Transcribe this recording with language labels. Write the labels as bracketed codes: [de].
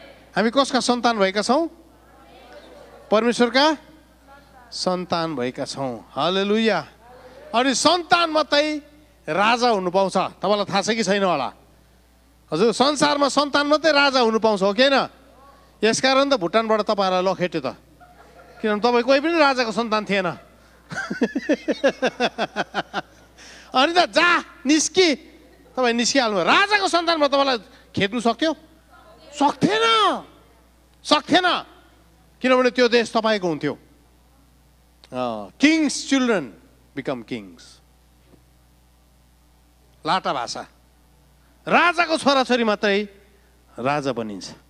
[ne] हामी कसका सन्तान भएका छौँ? परमेश्वरका सन्तान भएका छौँ। हालेलुया। अनि सन्तान मात्रै राजा हुनु पाउँछ, तपाईँलाई थाहा छ कि छैन होला? हजुर, संसारमा सन्तान मात्रै राजा हुनु पाउँछ हो कि होइन? यसकारण त भुटानबाट तपाईँहरूलाई लखेट्यो त, किनभने तपाईँ कोही पनि राजाको सन्तान थिएन। अनि त जा निस्कि, तपाईँ निस्किहाल्नु। राजाको सन्तानमा तपाईँलाई खेद्नु सक्थ्यो? सक्थेन, सक्थेन, किनभने त्यो देश तपाईँको हुन्थ्यो। [en] kings children become kings, [ne] लाटा भाषा, राजाको छोराछोरी मात्रै राजा बनिन्छ।